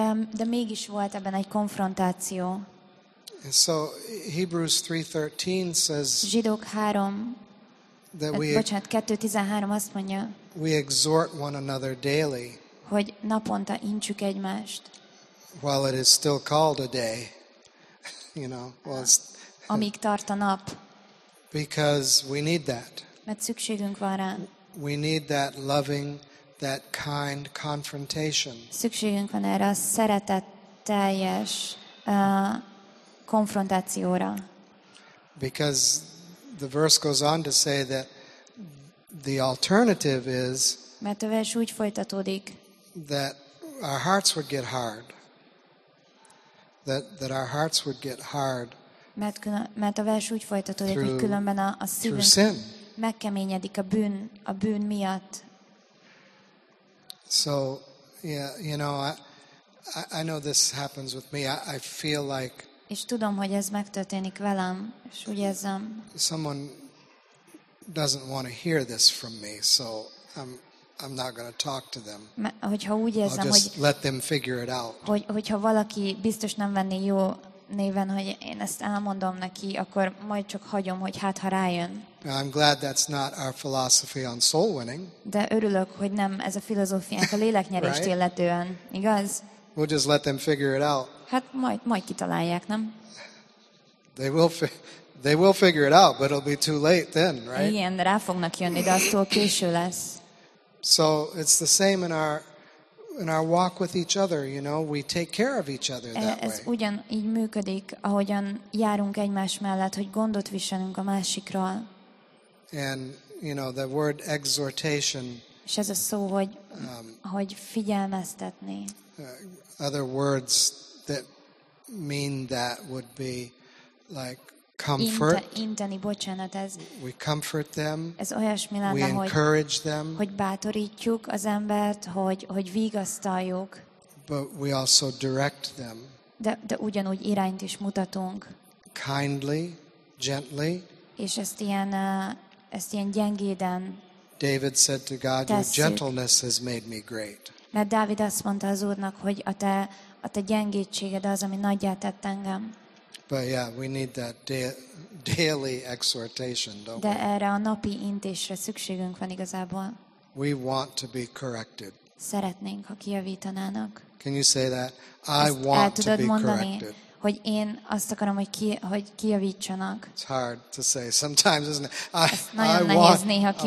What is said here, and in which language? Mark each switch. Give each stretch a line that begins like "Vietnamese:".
Hungarian: De mégis volt ebben egy konfrontáció.
English: And so Hebrews 3:13 says,
Hungarian: Zsidók 3,
English: that we,
Hungarian: bocsánat, 2:13 azt mondja,
English: we exhort one another daily,
Hungarian: hogy naponta intsük egymást.
English: While it is still called a day, you know,
Hungarian: amíg tart a nap.
English: Because we need that.
Hungarian: Mert szükségünk van rá.
English: We need that loving, that kind confrontation.
Hungarian: Szükségünk van erre a szeretetteljes konfrontációra.
English: Because the verse goes on to say that the alternative is,
Hungarian: mert a vers úgy folytatódik,
English: that our hearts would get hard. That our hearts would get hard.
Hungarian: Mert a vers úgy folytatódik, hogy különben a szívünk megkeményedik a bűn miatt.
English: So, yeah, you know, I know this happens with me. I feel like.
Hungarian: És tudom, hogy ez megtörténik velem, és úgy érzem.
English: Someone doesn't want to hear this from me, so I'm not going to talk to them.
Hungarian: Hogyha úgy érzem,
English: I'll just let them figure it out.
Hungarian: Hogyha valaki biztos nem venni jó néven, hogy én ezt elmondom neki, akkor majd csak hagyom, hogy hát ha rájön.
English: I'm glad that's not our philosophy on soul winning.
Hungarian: De örülök, hogy nem ez a filozófiánk a léleknyerést
English: right?
Hungarian: illetően, igaz?
English: We'll just let them figure it out.
Hungarian: Hát majd kitalálják, nem?
English: They will They will figure it out, but it'll be too late then, right?
Hungarian: Igen, de rá fognak jönni, de aztól késő lesz.
English: So it's the same in our walk with each other, you know, we take care of each other that way.
Hungarian: Ez ugyanígy működik, ahogyan járunk egymás mellett, hogy gondot viselünk a másikról.
English: And you know, the word exhortation.
Hungarian: És ez a szó, hogy hogy figyelmeztetni.
English: Other words that mean that would be like comfort.
Hungarian: Inteni, bocsánat, ez.
English: We comfort them.
Hungarian: Ez olyasmi lenne,
English: we encourage them.
Hungarian: Hogy bátorítjuk az embert, hogy vigasztaljuk.
English: But we also direct them.
Hungarian: De ugyanúgy irányt is mutatunk.
English: Kindly, gently.
Hungarian: És ezt ilyen gyengéden.
English: David said to God,
Hungarian: tesszük.
English: Your gentleness has made me great.
Hungarian: Mert Dávid azt mondta az Úrnak, hogy a te gyengédséged az, ami naggyá tett engem.
English: But yeah, we need that daily exhortation, don't we?
Hungarian: De erre a napi intésre szükségünk van igazából.
English: We want to be corrected.
Hungarian: Szeretnénk, ha kijavítanának.
English: Can you say that? I want to be corrected.
Hungarian: Mondani, hogy én azt akarom, hogy kijavítsanak.
English: It's hard to say sometimes, isn't it?